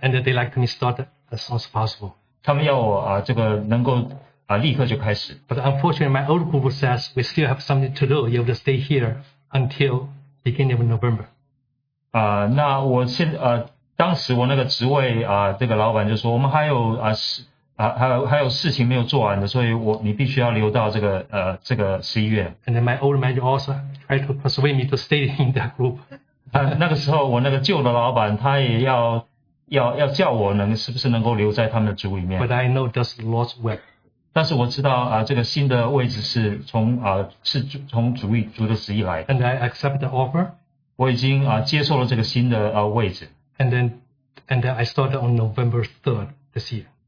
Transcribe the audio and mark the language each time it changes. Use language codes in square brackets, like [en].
[en] And they like me start as soon as possible. [zh] 他们要我这个能够立刻就开始。 [en] But unfortunately, my old group says we still have something to do. You have to stay here until beginning of November. [zh] 那我当时我那个职位，这个老板就说我们还有事情没有做完的，所以你必须要留到这个十一月。 [en] And then my old manager also tried to persuade me to stay in that group. [zh] 那个时候我那个旧的老板他也要叫我是不是能够留在他们的组里面。 [en] But I know that's the Lord's will. [zh] 但是我知道这个新的位置是从主的旨意来。 [en] And I accept the offer. [zh] 我已经接受了这个新的位置。 [en] And then I started on November 3rd this year.